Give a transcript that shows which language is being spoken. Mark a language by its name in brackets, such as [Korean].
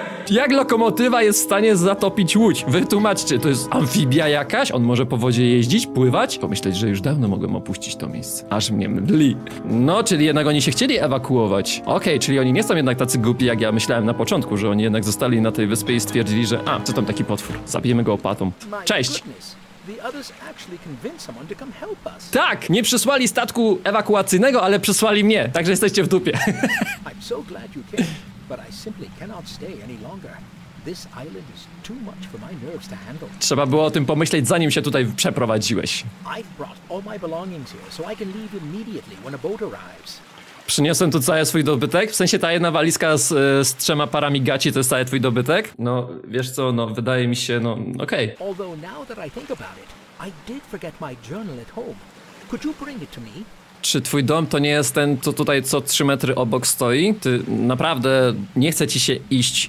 [Polish] Jak lokomotywa jest w stanie zatopić łódź? Wytłumaczcie, to jest amfibia jakaś? On może po wodzie jeździć, pływać? Pomyśleć, że już dawno mogłem opuścić to miejsce. Aż mnie mdli. No, czyli jednak oni się chcieli ewakuować. Okej, czyli oni nie są jednak tacy głupi, jak ja myślałem na początku, że oni jednak zostali na tej wyspie i stwierdzili, że... A, co tam taki potwór? Zabijemy go opatą. Cześć! [English] The others actually convinced someone to come help us. [Polish] Tak, nie przysłali statku ewakuacyjnego, ale przysłali mnie. Także jesteście w dupie. [English] I'm so glad you came, but I simply cannot stay any longer. This island is too much for my nerves to handle. [Polish] Trzeba było o tym pomyśleć, zanim się tutaj przeprowadziłeś. [English] I've brought all my belongings here, so I can leave immediately when a boat arrives. [Polish] Przyniosłem tu cały swój dobytek, w sensie ta jedna walizka z trzema parami gaci to jest cały twój dobytek. No, wiesz co, no wydaje mi się, no, okej. [English] Although now that I think about it, I did forget my journal at home. Could you bring it to me? [Polish] Czy twój dom to nie jest ten, co tutaj co 3 metry obok stoi? Ty naprawdę nie chce ci się iść.